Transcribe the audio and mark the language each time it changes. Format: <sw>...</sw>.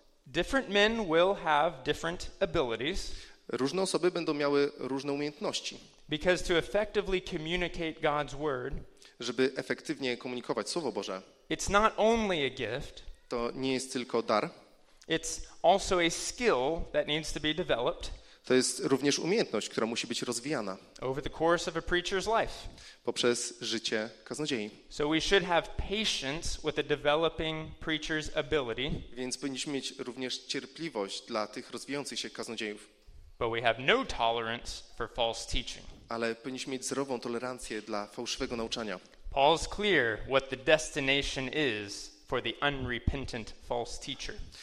<en>Different men will have different abilities.</en> <pl>Różne osoby będą miały różne umiejętności.</pl> <en>Because to effectively communicate God's word,</en> <pl>żeby efektywnie komunikować Słowo Boże,</pl> <en>it's not only a gift,</en> <pl>to nie jest tylko dar.</pl> <en>It's also a skill that needs to be developed.</en> <pl>To jest również umiejętność, która musi być rozwijana</pl> <en>over the course of a preacher's life.</en> <pl>Poprzez życie kaznodziei.</pl> <en>So we should have patience with the developing preacher's ability.</en> <pl>Więc powinniśmy mieć również cierpliwość dla tych rozwijających się kaznodziejów.</pl> <en>But we have no tolerance for false teaching.</en> <pl>Ale powinniśmy mieć zerową tolerancję dla fałszywego nauczania.</pl> <en>Paul's clear what the destination is for the unrepentant false teacher.</en>